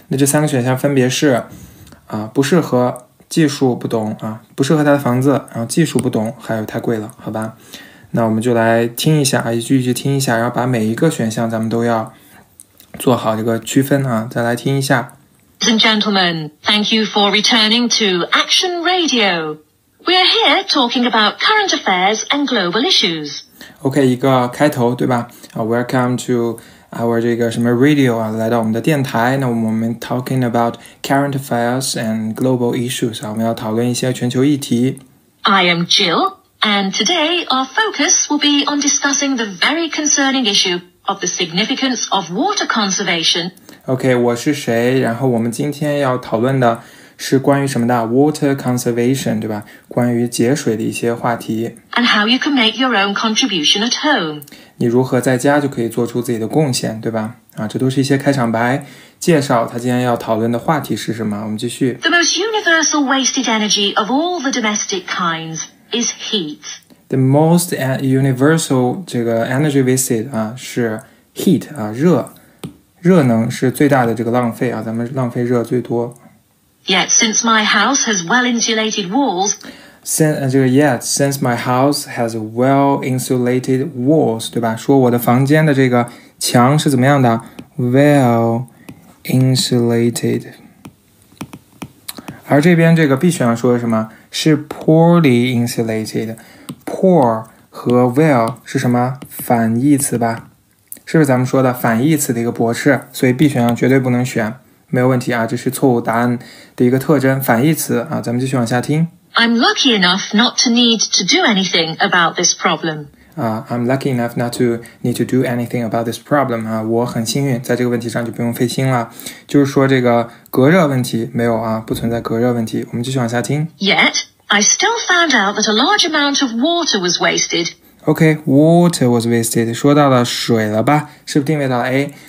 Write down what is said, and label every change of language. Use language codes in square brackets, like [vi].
[zh] 那这三个选项分别是不适合。技术不懂啊，不适合他的房子，然后技术不懂，还有太贵了，好吧？那我们就来听一下啊，一句一句听一下，然后把每一个选项咱们都要做好这个区分啊，再来听一下。 [en] Ladies and gentlemen, thank you for returning to Action Radio. We are here talking about current affairs and global issues. [zh] OK， 一个开头对吧？啊 ， [en] Welcome to。our [zh] 这个什么 radio 啊，来到我们的电台。那我们 [en] talking about current affairs and global issues [zh] 啊，我们要讨论一些全球议题。 [en] I am Jill, and today our focus will be on discussing the very concerning issue of the significance of water conservation. [zh] OK， 我是谁？然后我们今天要讨论的是关于什么的 ？Water conservation， 对吧？关于节水的一些话题。 [en] And how you can make your own contribution at home. [zh] 你如何在家就可以做出自己的贡献，对吧？啊，这都是一些开场白，介绍他今天要讨论的话题是什么。我们继续。 [en] The most universal wasted energy of all the domestic kinds is heat. The most universal [zh] 这个 [en] energy wasted [zh] 啊是 heat 啊热，热能是最大的这个浪费啊，咱们浪费热最多。 [en] Yet since my house has well-insulated walls, since my house has well-insulated walls, 对吧？ [zh] 说我的房间的这个墙是怎么样的？ [en] Well-insulated. [zh] 而这边这个必须要说什么？是 [en] poorly insulated. [zh] Poor 和 well 是什么？反义词吧？是不是咱们说的反义词的一个驳斥？所以 B 选项绝对不能选，没有问题啊，这是错误答案的一个特征，反义词啊。咱们继续往下听。 [en] I'm lucky enough not to need to do anything about this problem. I'm lucky enough not to need to do anything about this problem. [zh] 啊，我很幸运，在这个问题上就不用费心了。就是说这个隔热问题没有啊，不存在隔热问题。我们继续往下听。 [en] Yet I still found out that a large amount of water was wasted. [zh] Okay, [en] water was wasted. [zh] 说到了水了吧？是不是定位到了 A？